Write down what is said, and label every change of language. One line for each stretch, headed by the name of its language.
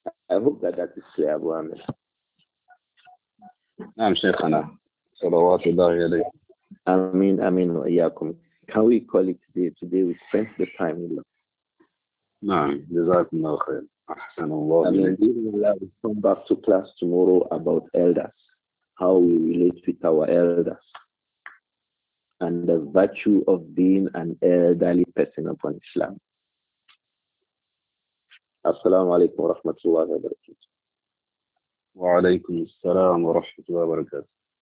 English: I hope that is clear, Abu Amir. I'm Shaykhana. Salawatullahi alayhi. Ameen, ameen wa iyakum. Can we call it today? Today we spent the time in love.
Arabic: نعم جزاك الله خير أحسن الله إليك.
English: And then we will come back to class tomorrow about elders, how we relate with our elders, and the virtue of being an elderly person upon Islam.
Arabic: السلام عليكم ورحمة الله وبركاته. وعليكم السلام ورحمة الله وبركاته.